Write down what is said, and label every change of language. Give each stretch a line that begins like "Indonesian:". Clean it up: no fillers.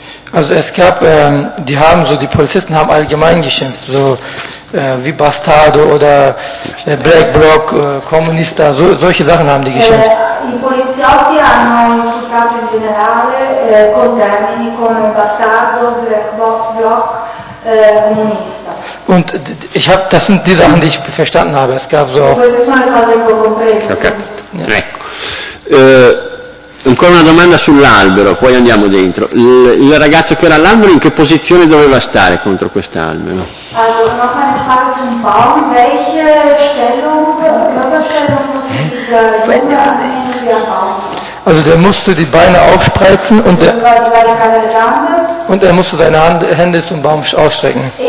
German: Also es gab, die haben so, die Polizisten haben allgemein geschimpft, so wie Bastardo oder Black Bloc, Kommunista, solche Sachen haben die geschimpft.
Italian: I poliziotti hanno insultato in generale con termini come bastardo, Black Bloc, comunista.
German: Und das sind die Sachen, die ich verstanden habe. Es gab so.
Italian: Queste sono le cose che ho compreso. Ok. Yeah. Ecco. Ancora una domanda sull'albero, poi andiamo dentro. Il ragazzo che era all'albero in che posizione doveva stare contro quest'albero?
German: Allora, noch eine Frage zum Baum. Welche Stellung, Körperstellung muss dieser Junge annehmen, wie er baut? Also der musste die Beine aufspreizen und er musste seine Hände zum Baum ausstrecken.